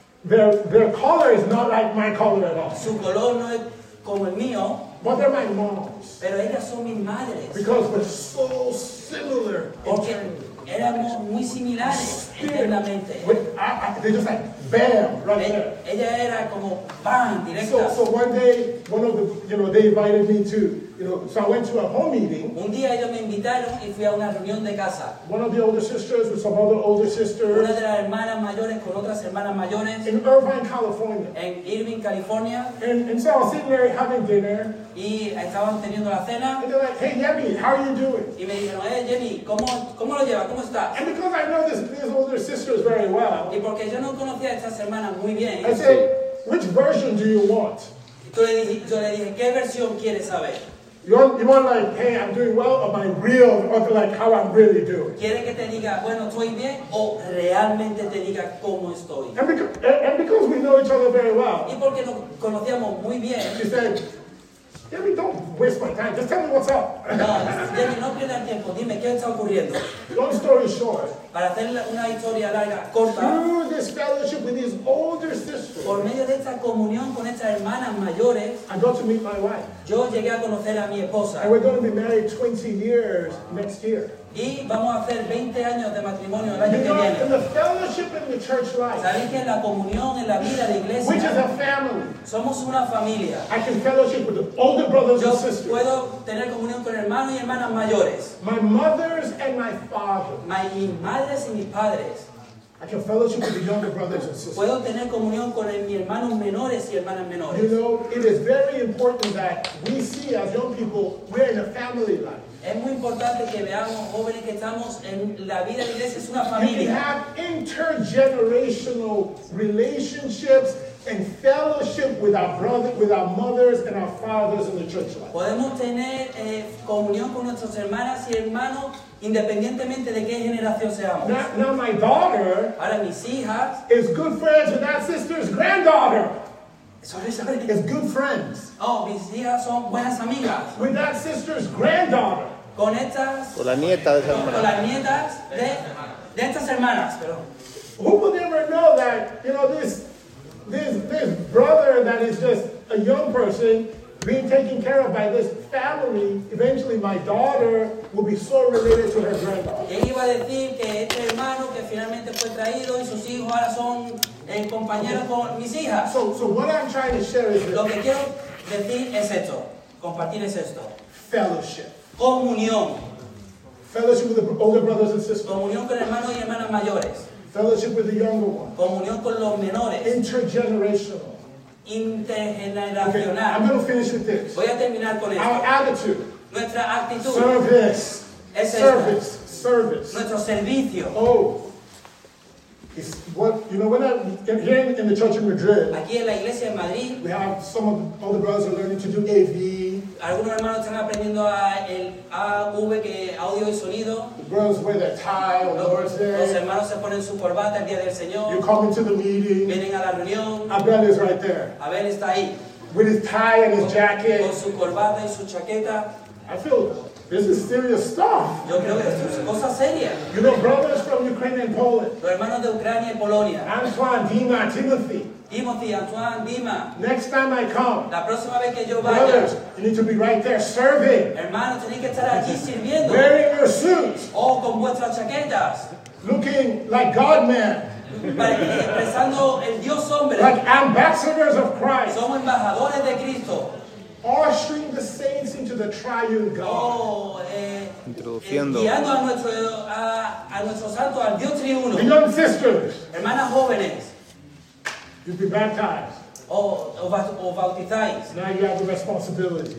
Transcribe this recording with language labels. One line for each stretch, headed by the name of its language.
English: Their color is not like my color at all.
Spanish: Su color no es como el mío.
English: But they're my moms.
Spanish: Pero ellas son mis madres.
English: Because we're so similar.
Spanish: Porque éramos muy similares internamente.
English: They just like bam, right there.
Spanish: Ella era como bam, directa.
English: So one day, one of the, you know, they invited me to, you know, so I went to a home meeting.
Spanish: Un día ellos me invitaron y fui a una reunión de casa.
English: One of the older sisters with some other older sisters.
Spanish: Una de las hermanas mayores con otras hermanas mayores.
English: In Irvine, California.
Spanish: En Irving, California.
English: And so I was sitting there having dinner.
Spanish: Y estaban teniendo la cena.
English: And they're like, hey, Jenny, how are you doing?
Spanish: Y me dijeron, hey, Jenny, ¿cómo lo llevas? ¿Cómo estás?
English: And because I know these older sisters very well.
Spanish: Y porque yo no conocía a estas hermanas muy bien.
English: I said, which version do you want?
Spanish: Yo le dije, ¿qué versión quieres saber?
English: You want like, hey, I'm doing well, or my real, or like how I'm really doing.
Spanish: ¿Quieres que te diga, bueno, estoy bien, o realmente te diga cómo estoy?
English: And because we know each other very well.
Spanish: Y porque nos conocíamos muy bien.
English: She said, Jimmy, don't waste my time. Just tell me what's up.
Spanish: No, Jimmy, no pierdas tiempo. Dime qué está ocurriendo.
English: Long story short.
Spanish: Para hacer una historia larga, corta.
English: Through this fellowship with these older sisters.
Spanish: Por medio de esta comunión con estas hermanas mayores.
English: I got to meet my wife.
Spanish: Yo llegué a conocer a mi esposa.
English: And we're going to be married 20 years next year.
Spanish: Y vamos a hacer 20 años de matrimonio el año que viene.
English: You know, in the fellowship in the church life.
Spanish: Sabéis que en la comunión, en la vida de iglesia.
English: Which is a family.
Spanish: Somos una familia.
English: I can fellowship with the older brothers
Spanish: yo
English: and sisters.
Spanish: Yo puedo tener comunión con hermanos y hermanas mayores.
English: My mothers and my fathers.
Spanish: Mis madres y mis padres.
English: I can fellowship with the younger brothers and sisters.
Spanish: Puedo tener comunión con mis hermanos menores y hermanas menores.
English: You know, it is very important that we see as young people, we're in a family life.
Spanish: Es muy importante que veamos jóvenes que estamos en la vida de la iglesia, es una familia.
English: You can have intergenerational relationships and fellowship with our brothers, with our mothers and our fathers in the church life.
Spanish: Podemos tener comunión con nuestras hermanas y hermanos independientemente de qué generación seamos.
English: Now my daughter,
Spanish: ahora mis hijas,
English: is good friends with that sister's granddaughter. Sorry. Is good friends.
Spanish: Oh, mis hijas son buenas amigas.
English: With that sister's granddaughter.
Spanish: Con estas. Con la nieta de esa hermana. Con las nietas de estas hermanas, pero.
English: Who would ever know that, you know, this brother that is just a young person being taken care of by this family, eventually my daughter will be so related to her granddaughter.
Spanish: ¿Quién iba a decir que este hermano que finalmente fue traído y sus hijos ahora son compañeros con mis hijas?
English: So what I'm trying to share is this.
Spanish: Lo que quiero decir es esto. Compartir es esto.
English: Fellowship.
Spanish: Comunión.
English: Fellowship with the older brothers and sisters.
Spanish: Comunión con hermanos y hermanas mayores.
English: Fellowship with the younger ones.
Spanish: Comunión con los menores.
English: Intergenerational.
Spanish: Intergeneracional.
English: Okay, I'm going to finish with this.
Spanish: Voy a terminar con esto.
English: Our attitude.
Spanish: Nuestra actitud.
English: Service.
Spanish: Es esta.
English: Service. Service.
Spanish: Nuestro servicio. Oh.
English: Is what, you know, here in the church in Madrid.
Spanish: Aquí en la iglesia en Madrid.
English: We have some of all the brothers are learning to do AV.
Spanish: Algunos hermanos están aprendiendo a el AV, que audio y sonido.
English: The brothers wear their tie on Lord's Day.
Spanish: Los hermanos se ponen su corbata el día del Señor.
English: You come into the meeting.
Spanish: Vienen a la reunión.
English: Abel is right there.
Spanish: Abel está ahí.
English: With his tie and his jacket.
Spanish: Con su corbata y su chaqueta.
English: I feel this is serious stuff.
Spanish: Yo creo que esto es cosa seria.
English: You know, brothers from Ukraine and Poland.
Spanish: Los hermanos de Ucrania y Polonia.
English: Antoine, Dima, Timothy.
Spanish: Timothy, Antoine, Dima.
English: Next time I come.
Spanish: La próxima vez que yo vaya.
English: Brothers, you need to be right there serving.
Spanish: Hermano, tenéis que estar aquí sirviendo.
English: Wearing your suits.
Spanish: O con vuestras chaquetas.
English: Looking like God man.
Spanish: Expresando el Dios hombre.
English: Like ambassadors of Christ.
Spanish: Somos embajadores de Cristo.
English: ushering the saints into the triune God.
Spanish: Introduciendo. Guiando a nuestro santo, al Dios triuno.
English: The young sisters.
Spanish: Hermanas jóvenes.
English: You'll be baptized.
Spanish: O bautizáis.
English: Now you have the responsibility.